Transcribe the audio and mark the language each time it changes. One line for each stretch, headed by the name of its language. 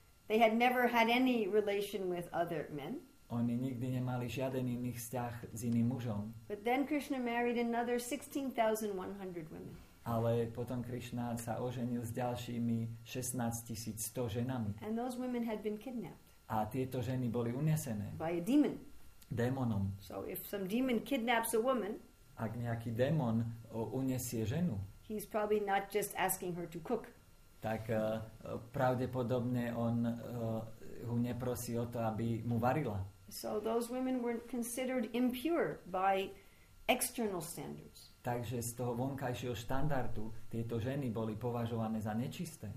English: They had never had any relation with other men.
Slovak: Oni nikdy nemali žiaden iný vzťah s iným mužom.
English: But then Krishna married another 16,100 women.
Slovak: Ale potom Krishna sa oženil s ďalšími 16,100 ženami.
English: And those women had been kidnapped.
Slovak: A tieto ženy boli unesené.
English: By a demon.
Slovak: Démonom.
English: So if some demon kidnaps a woman,
Slovak: ak nejaký démon unesie ženu,
English: he's probably not just asking her to cook.
Slovak: Tak pravdepodobne on ho neprosí o to, aby mu varila.
English: So those women were considered impure by external standards.
Slovak: Takže z toho vonkajšieho štandardu tieto ženy boli považované za nečisté.